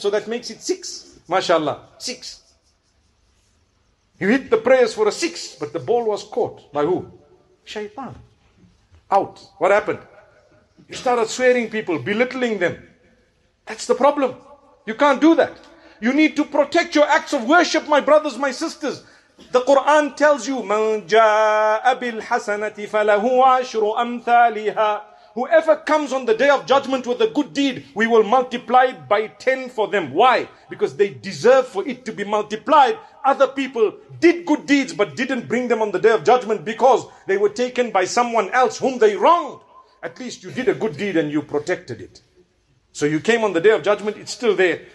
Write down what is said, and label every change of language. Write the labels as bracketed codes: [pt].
[en] So that makes it 6. MashaAllah. 6. You hit the prayers for a 6. But the ball was caught. By who? Shaytan. Out. What happened? You started swearing people, belittling them. That's the problem. You can't do that. You need to protect your acts of worship, my brothers, my sisters. The Quran tells you, [ar] مَنْ جَاءَ بِالْحَسَنَةِ فَلَهُ عَشْرُ أَمْثَالِهَا. [en] Whoever comes on the day of judgment with a good deed, we will multiply it by 10 for them. Why? Because they deserve for it to be multiplied. Other people did good deeds but didn't bring them on the day of judgment because they were taken by someone else whom they wronged. At least you did a good deed and you protected it. So you came on the day of judgment, it's still there.